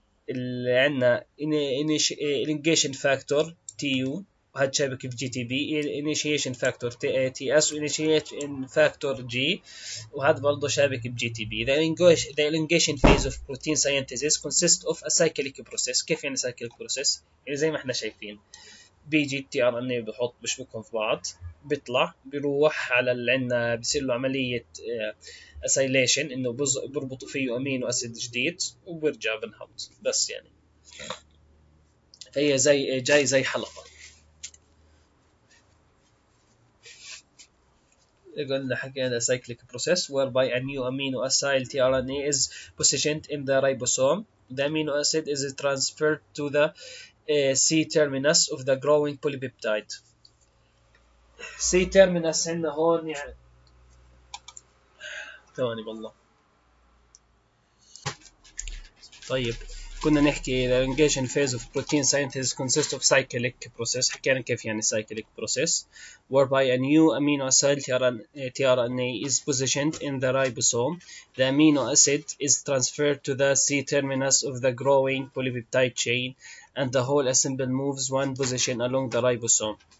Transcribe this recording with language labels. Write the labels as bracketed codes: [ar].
[ar] اللي عنا elongation factor TU وهاد شابك في GTP، initiation factor TS و initiation factor G وهاد برضه شابك في GTP. [en] The elongation phase of protein synthesis consists of a cyclic process. [ar] كيف يعني cyclic process؟ يعني زي ما احنا شايفين بيجي ال tRNA بحط بشبكهم في بعض بيطلع بيروح على اللي عندنا بصير له عملية acylation انه بربطوا فيه امينو اسيد جديد وبرجع بنهبط بس يعني. فهي زي جاي زي حلقة، قلنا حكينا [en] cyclic process whereby a new amino acyl tRNA is positioned in the ribosome. The amino acid is transferred to the C terminus of the growing polypeptide. [ar] C terminus عندنا هون يعني ثواني بالله. طيب كنا نحكي [en] the elongation phase of protein synthesis consists of cyclic process، [ar] حكينا كيف يعني [en] cyclic process whereby a new amino acyl tRNA is positioned in the ribosome. The amino acid is transferred to the C terminus of the growing polypeptide chain and the whole assembly moves one position along the ribosome.